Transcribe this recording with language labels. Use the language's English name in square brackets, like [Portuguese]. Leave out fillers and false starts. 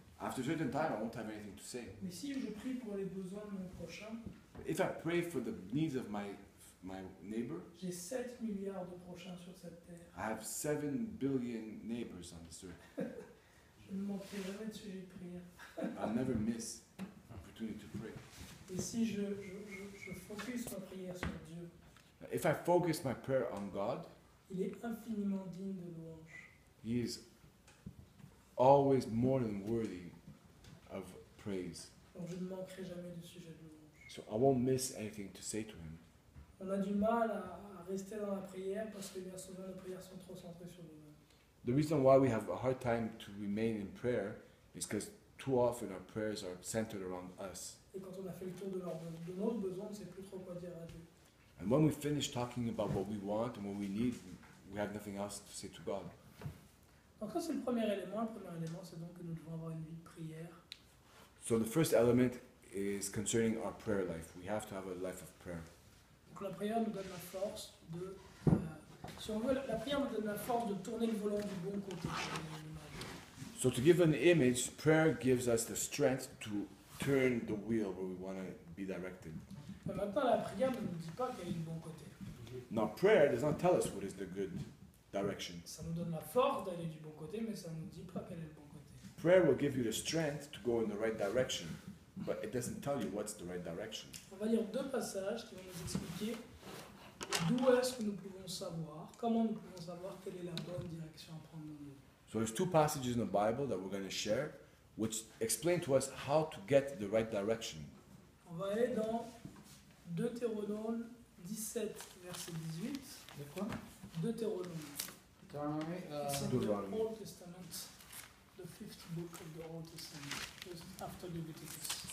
[English] After a certain time, I won't have anything to say. [French] Mais si je prie pour les besoins de mon prochain, [English] if I pray for the needs of my neighbor, [French] j'ai 7 milliards de prochains sur cette terre. [English] I have 7 billion neighbors on this earth. [French] Je ne manquerai jamais de sujet de prière. [English] I'll never miss an opportunity to pray. [French] Et si je focus ma prière sur Dieu, [English] if I focus my prayer on God, [French] il est infiniment digne de louange. [English] He is always more than worthy of praise. [French] Donc je ne manquerai jamais de sujet de louange. [English] So I won't miss anything to say to him. [French] On a du mal à rester dans la prière parce que bien souvent nos prières sont trop centrées sur nous-mêmes. [English] The reason why we have a hard time to remain in prayer is because too often our prayers are centered around us. [French] Et quand on a fait le tour de nos besoins, on ne sait plus trop quoi dire à Dieu. [English] And when we finish talking about what we want and what we need, we have nothing else to say to God. [French] Donc ça c'est le premier élément. Le premier élément c'est donc que nous devons avoir une vie de prière. [English] So the first element is concerning our prayer life. We have to have a life of prayer. [French] Donc la prière nous donne la force de, si on veut, la prière nous donne la force de tourner le volant du bon côté. [English] So to give an image, prayer gives us the strength to turn the wheel where we want to be directed. [French] Mais maintenant, la prière ne nous dit pas quel est le bon côté. [English] Now, prayer does not tell us what is the good direction. [French] Ça nous donne la force d'aller du bon côté, mais ça ne nous dit pas quel est le bon côté. [English] Prayer will give you the strength to go in the right direction, but it doesn't tell you what's the right direction. [French] On va lire deux passages qui vont nous expliquer d'où est-ce que nous pouvons savoir, comment nous pouvons savoir quelle est la bonne direction à prendre dans nos vies. [English] So there's two passages in the Bible that we're going to share, which explain to us how to get the right direction. [French] On va aller dans Deutéronome 17, verset 18. De quoi? Deutéronome. [English] Deuteronomy, the Old Testament, the fifth book of the Old Testament, just after the Leviticus.